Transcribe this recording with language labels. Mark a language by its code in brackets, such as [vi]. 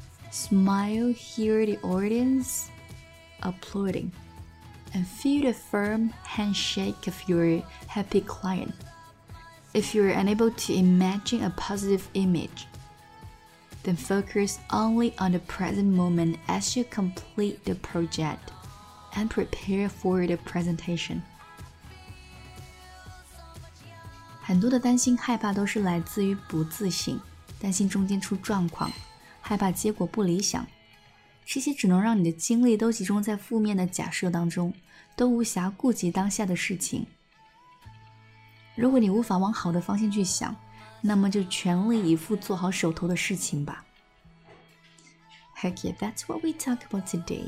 [en] Smile, hear the audience applauding, and feel the firm handshake of your happy client. If you're unable to imagine a positive image, then focus only on the present moment as you complete the project and prepare for the presentation. [zh] 很多的担心害怕都是来自于不自信，担心中间出状况，害怕结果不理想，这些只能让你的精力都集中在负面的假设当中，都无暇顾及当下的事情。如果你无法往好的方向去想，那么就全力以赴做好手头的事情吧。 [en] Heck yeah, that's what we talk about today.